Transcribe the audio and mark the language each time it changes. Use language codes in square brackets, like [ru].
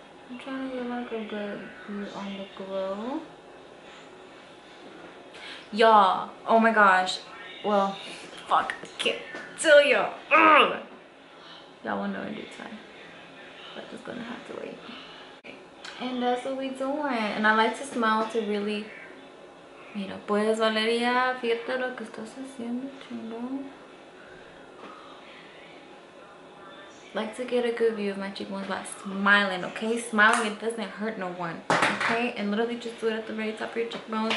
[en] I'm trying to get like a good view on the glow. Y'all, oh my gosh. Well, fuck, I can't tell y'all. Y'all will know in due time. But just gonna have to wait. And that's what we doing. And I like to smile to really, [es] mira, puedes Valeria, fíjate lo que estás haciendo, chingón. [en] Like to get a good view of my cheekbones by smiling, okay? Smiling, it doesn't hurt no one, okay? And literally just do it at the very top of your cheekbones.